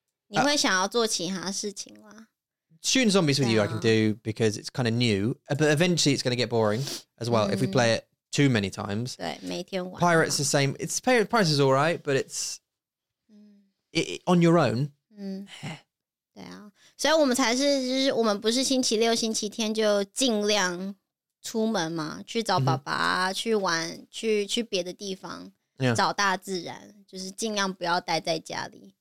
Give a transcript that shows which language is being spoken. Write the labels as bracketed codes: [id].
[zh] 你会想要做其他事情吗 [en] Shooting zombies with you, I can do because it's kind of new, but eventually it's going to get boring as well if we play it too many times. [zh] 对，每天玩。 [en] Pirates the same. It's Pirates is all right, but it's on your own. [zh] 对啊，所以我们才是就是我们不是星期六、星期天就尽量出门嘛，去找爸爸，去玩，去别的地方，找大自然。就是尽量不要待在家里。